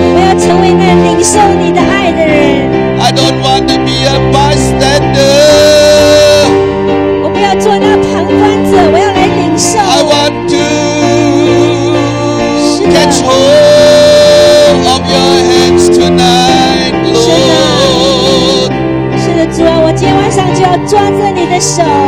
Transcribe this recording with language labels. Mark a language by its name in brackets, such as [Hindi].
[Chinese] 我要成为那领受你的爱的人。 [English] I don't want to be a bystander. [Chinese] 我不要做那旁观者，我要来领受。 [English] I want to catch hold of your hands tonight, Lord. [Chinese] 是的，主啊，我今天晚上就要抓着你的手。